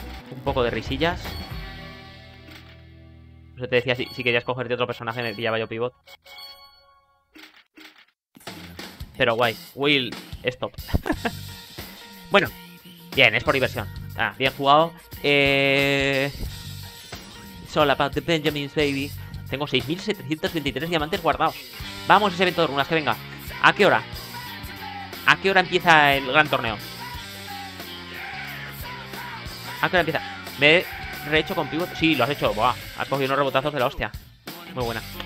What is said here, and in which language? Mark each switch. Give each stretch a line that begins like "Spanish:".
Spanish: un poco de risillas. Pues te decía, si querías cogerte otro personaje, me pillaba yo pivot. Pero guay. Will, stop. Bueno, bien, es por diversión. Ah, bien jugado.
English: It's all about the Benjamins, baby.
Spanish: Tengo 6.723 diamantes guardados. Vamos a ese evento de runas, que venga. ¿A qué hora? ¿A qué hora empieza el gran torneo? ¿A qué hora empieza? ¿Me he rehecho con pivot? Sí, lo has hecho. Buah, has cogido unos rebotazos de la hostia. Muy buena.